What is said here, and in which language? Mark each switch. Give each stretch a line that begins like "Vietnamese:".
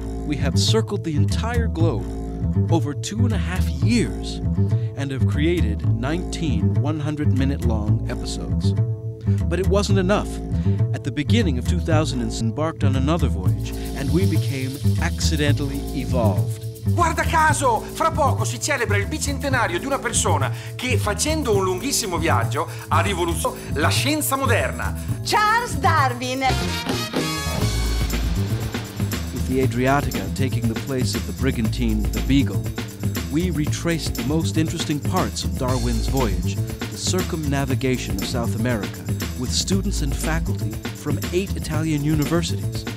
English: We have circled the entire globe over 2.5 years and have created 19 100-minute long episodes. But it wasn't enough. At the beginning of 2000, we embarked on another voyage and we became accidentally evolved.
Italian: Guarda caso, fra poco si celebra il bicentenario di una persona che facendo un lunghissimo viaggio ha rivoluzionato la scienza moderna. Charles Darwin.
English: The Adriatica taking the place of the brigantine, the Beagle, we retraced the most interesting parts of Darwin's voyage, the circumnavigation of South America, with students and faculty from 8 Italian universities.